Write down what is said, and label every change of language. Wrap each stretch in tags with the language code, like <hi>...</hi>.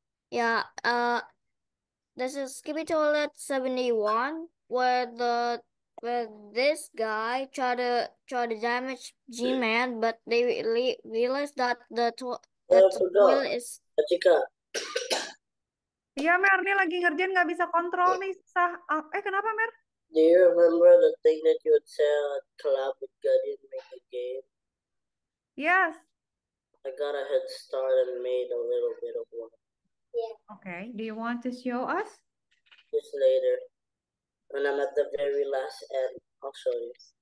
<en>Yeah, this is Skippy Toilet 71, where this guy try to damage G-Man, but they re realize that the toilet Forgot, is Cika.</en> <id>Iya, Mer, ini lagi ngerjain nggak bisa kontrol nih, susah. Eh, kenapa, Mer?</id> <en>Do you remember the thing that you would say at club with Guardian make a game? Yes. I got a head start and made a little bit of one. Okay, do you want to show us? Just later. When I'm at the very last end, I'll show you.</en>